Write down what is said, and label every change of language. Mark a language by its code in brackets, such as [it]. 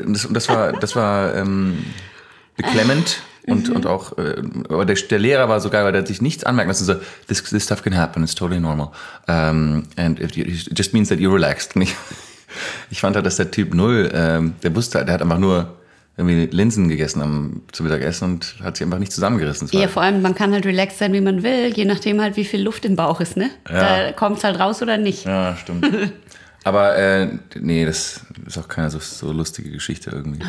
[de] Das war beklemmend. Und auch, aber der Lehrer war so geil, weil der hat sich nichts anmerken lassen. [en] So, this stuff can happen, it's totally normal. And if you, it just means that you're relaxed. [de] Ich fand halt, dass der Typ null, der wusste halt, der hat einfach nur irgendwie Linsen gegessen zum Mittagessen und hat sich einfach nicht zusammengerissen. Ja, vor allem, man kann halt relaxed sein, wie man will, je nachdem halt, wie viel Luft im Bauch ist, ne? Ja. Da kommt's halt raus oder nicht. Ja, stimmt. Aber nee, das ist auch keine so lustige Geschichte irgendwie.